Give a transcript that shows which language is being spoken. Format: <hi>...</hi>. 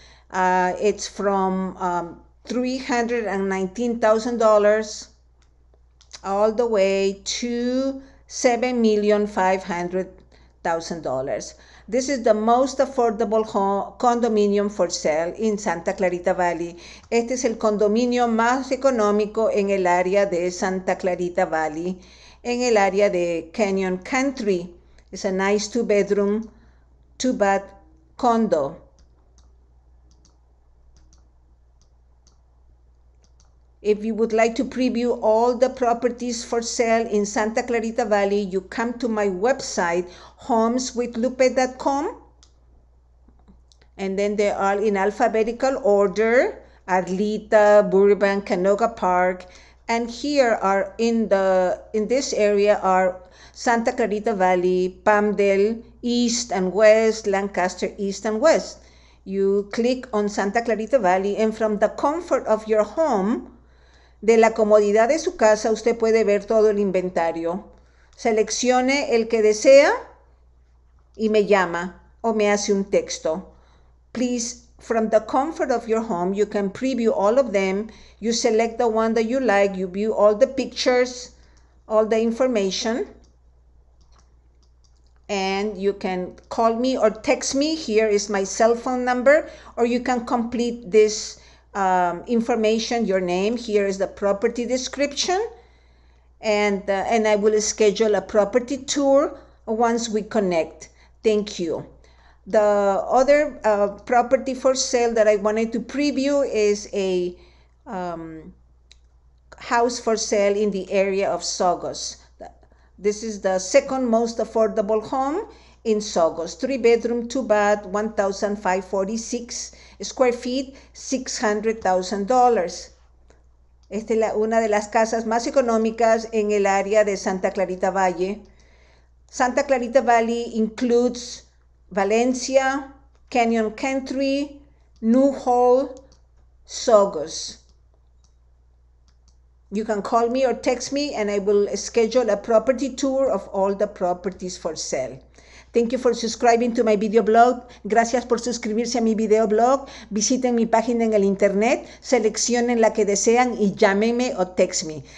<en>It's from $319,000 all the way to $7,500,000. This is the most affordable condominium for sale in Santa Clarita Valley.</en> <es>Este es el condominio más económico en el área de Santa Clarita Valley, en el área de Canyon Country.</es> <en>It's a nice two-bedroom, two-bath condo. If you would like to preview all the properties for sale in Santa Clarita Valley, you come to my website, homeswithlupe.com. And then they are in alphabetical order, Arleta, Burbank, Canoga Park. And here are in this area are Santa Clarita Valley, Palmdale, East and West, Lancaster, East and West. You click on Santa Clarita Valley and from the comfort of your home,</en> <es>de la comodidad de su casa, usted puede ver todo el inventario. Seleccione el que desea y me llama o me hace un texto.</es> <en>Please, from the comfort of your home, you can preview all of them. You select the one that you like. You view all the pictures, all the information. And you can call me or text me. Here is my cell phone number. Or you can complete this information, your name. Here is the property description, and I will schedule a property tour once we connect. Thank you. The other property for sale that I wanted to preview is a house for sale in the area of Saugus. This is the second most affordable home in Saugus, three bedroom, two bath, 1,546 square feet, $600,000.</en> <es>Esta es una de las casas más económicas en el área de Santa Clarita Valley.</es> <en>Santa Clarita Valley includes Valencia, Canyon Country, Newhall, Saugus. You can call me or text me and I will schedule a property tour of all the properties for sale. Thank you for subscribing to my video blog.</en> <es>Gracias por suscribirse a mi video blog. Visiten mi página en el internet, seleccionen la que desean y llámenme o</es> <en>text me.</en>